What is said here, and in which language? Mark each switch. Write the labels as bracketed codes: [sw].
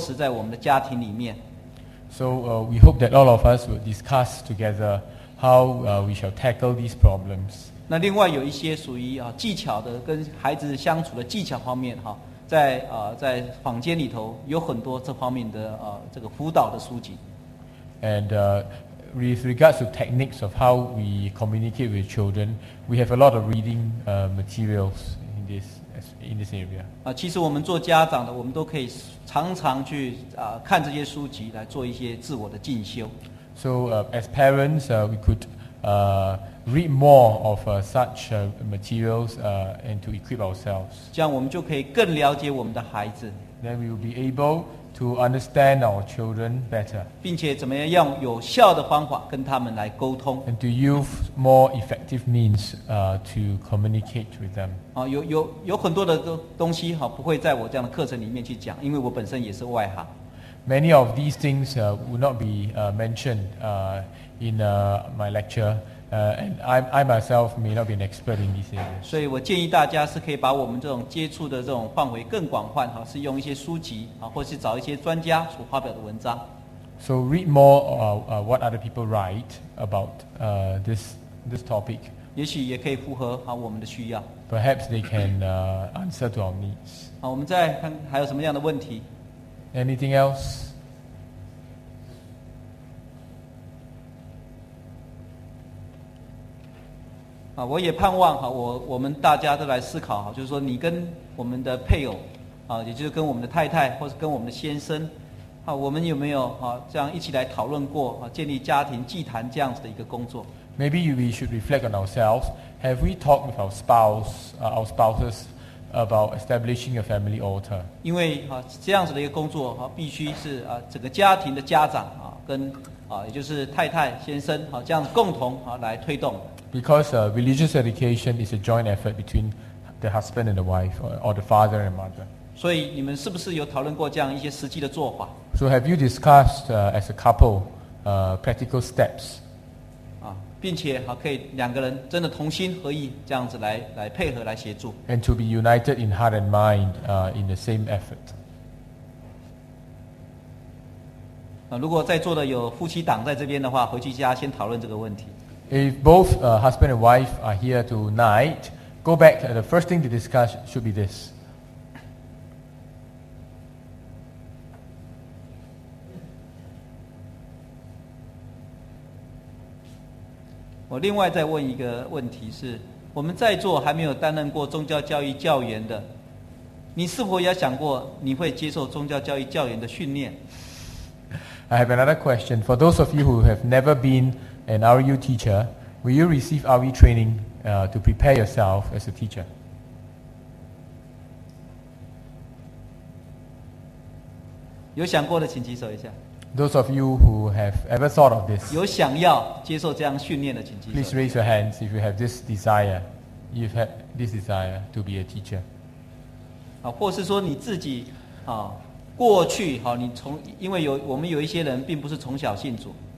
[zh] 但是我们可以借着大家一起来研讨有关于宗教教育的做法，跟我们怎么样真的在落实在我们的家庭里面。So [en] we hope that all of us will discuss together how we shall tackle these problems. [zh] 那另外有一些属于技巧的跟孩子相处的技巧方面，在坊间里头有很多这方面的这个辅导的书籍。 [en] And with regards to techniques of how we communicate with children, we have a lot of reading materials in this area. [zh] 其实我们做家长的，我们都可以常常去看这些书籍来做一些自我的进修。 [en] So as parents, we could read more of such materials and to equip ourselves. [zh] 这样我们就可以更了解我们的孩子。 [en] Then we will be able to understand our children better. [zh] 并且怎么样有效的方法跟他们来沟通。 [en] And to use more effective means to communicate with them. [zh] 有很多的东西不会在我这样的课程里面去讲，因为我本身也是外行。 [en] Many of these things will not be mentioned in my lecture, and I myself may not be an expert in these areas. [zh] 所以我建议大家是可以把我们这种接触的这种范围更广泛，是用一些书籍或是找一些专家所发表的文章。 [en] So read more what other people write about this topic. [zh] 也许也可以符合我们的需要。 [en] Perhaps they can answer to our needs. [zh] 我们再看还有什么样的问题。 [en] Anything else? [zh] Ah, 我也盼望哈，我们大家都来思考哈，就是说你跟我们的配偶，啊，也就是跟我们的太太或是跟我们的先生，啊，我们有没有啊这样一起来讨论过啊建立家庭祭坛这样子的一个工作 [en] ？Maybe we should reflect on ourselves. Have we talked with our spouse, our spouses? About establishing a family altar. [zh] 因为这样子的一个工作必须是整个家庭的家长跟也就是太太先生这样共同来推动。 [en] Because religious education is a joint effort between the husband and the wife, or the father and mother. [zh] 所以你们是不是有讨论过这样一些实际的做法 [en] ？So have you discussed as a couple practical steps? [zh] 并且可以两个人真的同心合意这样子 来配合来协助 [en] and to be united in heart and mind in the same effort [zh] 如果在座的有夫妻党在这边的话回去家先讨论这个问题 [en] if both husband and wife are here tonight go back the first thing to discuss should be this [zh] 我另外再问一个问题是我们在座还没有担任过宗教教育教员的你是否也想过你会接受宗教教育教员的训练 [en] I have another question For those of you who have never been an RU teacher Will you receive RU training to prepare yourself as a teacher? [zh] 有想过的请举手一下 [en] Those of you who have ever thought of this, [zh] 有想要接受这样训练的，请举手。 [en] Please raise your hands if you have this desire. You've had this desire to be a teacher. [zh] 或是说你自己过去你从因为有我们有一些人并不是从小信主。